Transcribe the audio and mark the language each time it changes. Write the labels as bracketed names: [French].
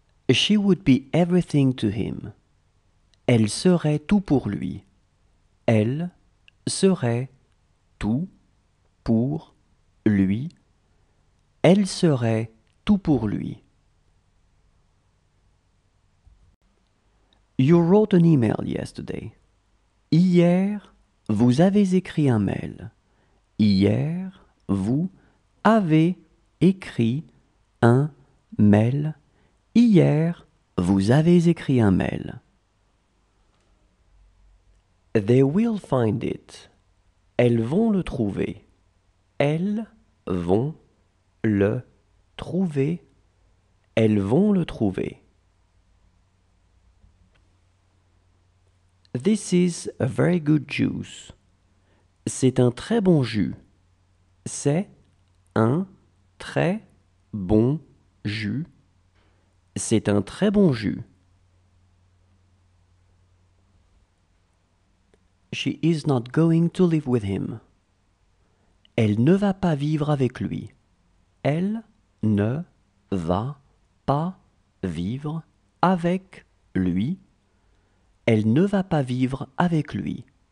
[English] She would be everything to him. [French] Elle serait tout pour lui. Elle serait tout pour lui. Elle serait tout pour lui. [English] You wrote an email yesterday. [French] Hier, vous avez écrit un mail. Hier, vous avez écrit un mail. Hier, vous avez écrit un mail. [English] They will find it. [French] Elles vont le trouver. Elles vont le trouver. Elles vont le trouver. [English] This is a very good juice. [French] C'est un très bon jus. C'est un très bon jus. C'est un très bon jus. [English] She is not going to live with him. [French] Elle ne va pas vivre avec lui. Elle ne va pas vivre avec lui. Elle ne va pas vivre avec lui.